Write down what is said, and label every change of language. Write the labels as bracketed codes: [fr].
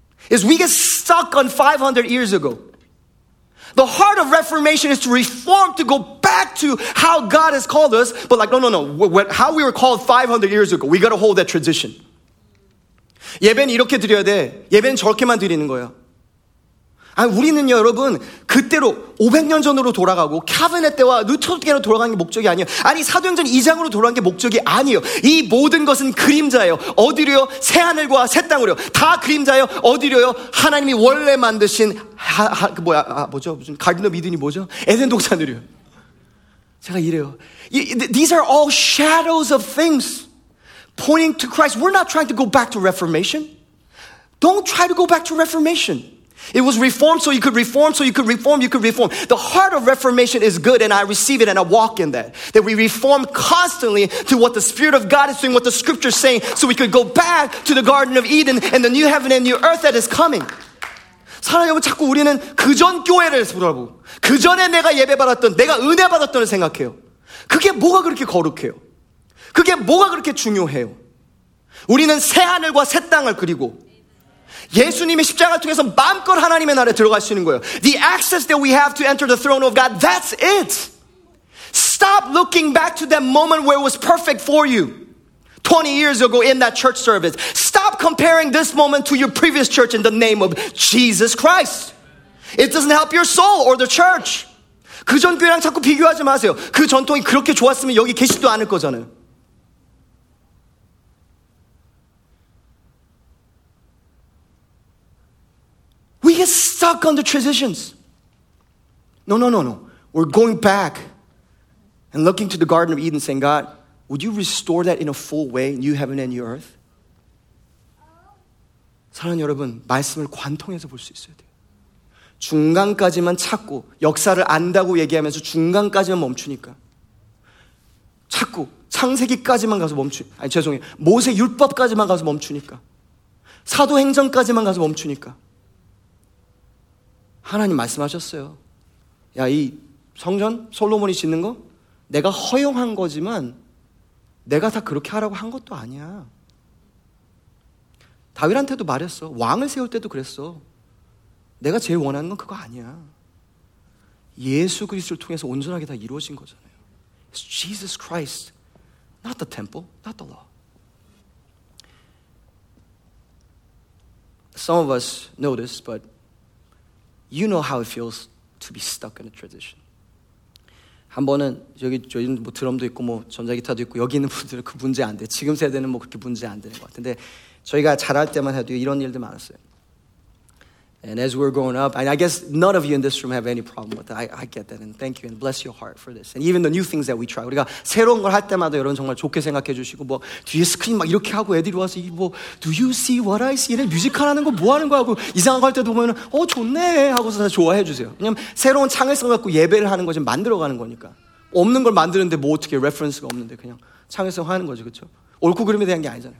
[en] Is we get stuck on 500 years ago. The heart of Reformation is to reform, to go back to how God has called us. But like, no. How we were called 500 years ago. We got to hold that tradition. [ko] 예배는 이렇게 드려야 돼. 예배는 저렇게만 드리는 거야. 아니, 우리는요, 여러분, 그때로, 500년 전으로 돌아가고, 카빈의 때와 루터 때로 돌아가는 게 목적이 아니에요. 아니, 사도행전 2장으로 돌아가는 게 목적이 아니에요. 이 모든 것은 그림자예요. 어디로요? 새하늘과 새 땅으로요. 다 그림자예요. 어디로요? 하나님이 원래 만드신, 무슨, 가든 오브 이든이 뭐죠? 에덴 동산으로요. 제가 이래요. [en] These are all shadows of things. Pointing to Christ. We're not trying to go back to Reformation. Don't try to go back to Reformation. It was reformed so you could reform, so you could reform, you could reform. The heart of Reformation is good and I receive it and I walk in that. That we reform constantly to what the Spirit of God is doing, what the Scripture is saying, so we could go back to the Garden of Eden and the new heaven and new earth that is coming. [ko] 사랑하는 여러분, 자꾸 우리는 그전 교회를 보라고. 그 전에 내가 예배 받았던, 내가 은혜 받았던을 생각해요. 그게 뭐가 그렇게 거룩해요? 그게 뭐가 그렇게 중요해요? 우리는 새하늘과 새 땅을 그리고 예수님의 십자가를 통해서 마음껏 하나님의 나라에 들어갈 수 있는 거예요. [en] The access that we have to enter the throne of God, that's it. Stop looking back to that moment where it was perfect for you. 20 years ago in that church service. Stop comparing this moment to your previous church in the name of Jesus Christ. It doesn't help your soul or the church. [ko] 그전 교회랑 자꾸 비교하지 마세요. 그 전통이 그렇게 좋았으면 여기 계시지도 않을 거잖아요. [en] stuck on the transitions. No, no, no, no. We're going back and looking to the Garden of Eden saying, God, would you restore that in a full way, new heaven and new earth? [ko] 사랑하는 여러분, 말씀을 관통해서 볼 수 있어야 돼요. 중간까지만 찾고 역사를 안다고 얘기하면서 중간까지만 멈추니까 찾고 창세기까지만 가서 멈추 아니 죄송해요 모세 율법까지만 가서 멈추니까 사도행전까지만 가서 멈추니까 하나님 말씀하셨어요. 야, 이 성전 솔로몬이 짓는 거 내가 허용한 거지만 내가 다 그렇게 하라고 한 것도 아니야. 다윗한테도 말했어. 왕을 세울 때도 그랬어. 내가 제일 원하는 건 그거 아니야. 예수 그리스도를 통해서 온전하게 다 이루어진 거잖아요. [en] It's Jesus Christ, not the temple, not the law. Some of us know this, but you know how it feels to be stuck in a tradition. [ko] 한 번은 여기 뭐 드럼도 있고 뭐 전자기타도 있고 여기 있는 분들은 그 문제 안 돼. 지금 세대는 뭐 그렇게 문제 안 되는 것 같은데 저희가 자랄 때만 해도 이런 일들 많았어요. [en] And as we're growing up, and I guess none of you in this room have any problem with that. I get that, and thank you, and bless your heart for this. And even the new things that we try, [ko] 우리가 새로운 걸 할 때마다 여러분 정말 좋게 생각해 주시고 뭐 뒤에 스크린 막 이렇게 하고 애들이 와서 뭐 [en] Do you see what I see? [ko] 이런 뮤지컬 하는 거 뭐 하는 거 하고 이상한 거 할 때도 보면은 어 좋네 하고서 다 좋아해 주세요. 왜냐면 새로운 창의성 갖고 예배를 하는 거 지금 만들어 가는 거니까 없는 걸 만드는데 뭐 어떻게 레퍼런스가 없는데 그냥 창의성 하는 거죠, 그렇죠? 옳고 그름에 대한 게 아니잖아요.